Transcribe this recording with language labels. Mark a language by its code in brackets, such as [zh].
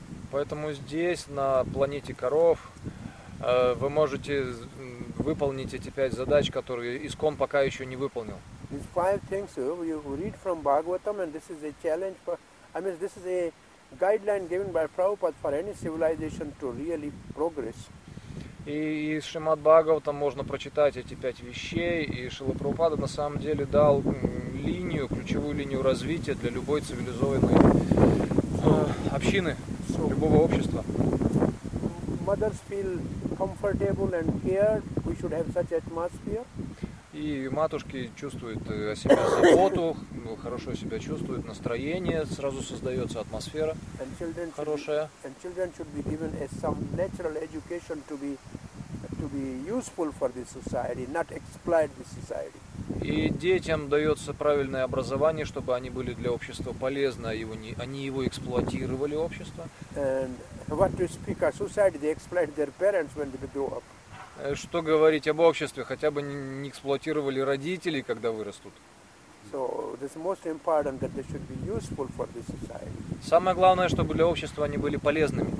[ru] Поэтому здесь, на планете коров, вы можете выполнить эти пять задач, которые ИСККОН пока еще не выполнил. [en] These five things you read from Bhagavatam, and this is a challenge for, I mean, this is a guideline given by Prabhupada for any civilization to really progress. [ru] И из Шримад Бхагаватам можно прочитать эти пять вещей, и Шрила Прабхупада на самом деле дал ключевую линию развития для любой цивилизованной общины, любого общества. [en] Mothers feel comfortable and cared. We should have such atmosphere. [ru] И матушки чувствуют о себе заботу, хорошо себя чувствуют, настроение сразу создается, атмосфера хорошая. [en] And children should be given some natural education to be useful for the society, not exploit the society. [ru] И детям дается правильное образование, чтобы они были для общества полезны, они его эксплуатировали, общество. [en] And what to speak of society, they exploit their parents when they grow up. [ru] Что говорить об обществе, хотя бы не эксплуатировали родителей, когда вырастут. [en] So, this is most important that they should be useful for the society. [ru] Самое главное, чтобы для общества они были полезными.